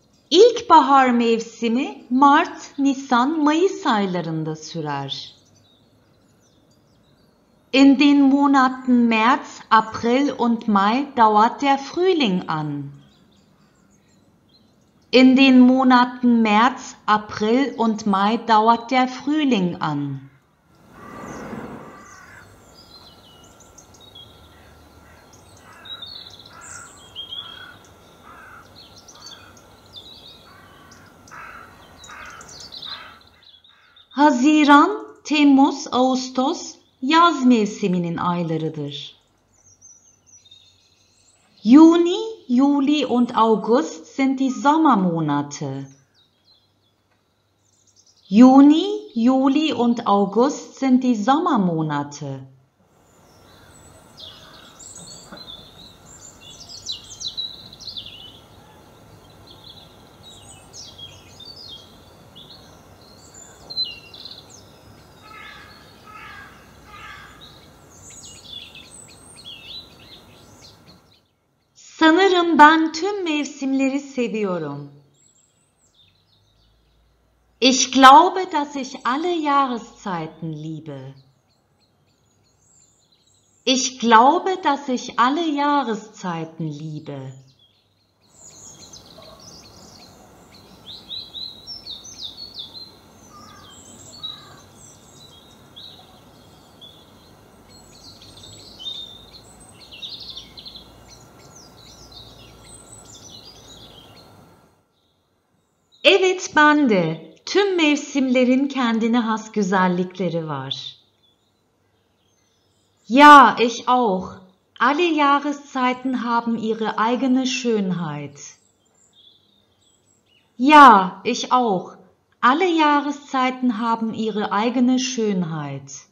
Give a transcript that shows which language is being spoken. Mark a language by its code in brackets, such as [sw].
[tr] İlkbahar mevsimi Mart, Nisan, Mayıs aylarında sürer. [de] In den Monaten März, April und Mai dauert der Frühling an. In den Monaten März, April und Mai dauert der Frühling an. [tr] Haziran, Temmuz, Ağustos yaz mevsiminin aylarıdır. [de] Juni, Juli und August sind die Sommermonate. Juni, Juli und August sind die Sommermonate. [tr] Sanırım ben tüm mevsimleri seviyorum. [de] Ich glaube, dass ich alle Jahreszeiten liebe. Ich glaube, dass ich alle Jahreszeiten liebe. [tr] Evet, ben de. Tüm mevsimlerin kendine has güzellikleri var. [de] Ja, ich auch. Alle Jahreszeiten haben ihre eigene Schönheit. Ja, ich auch. Alle Jahreszeiten haben ihre eigene Schönheit.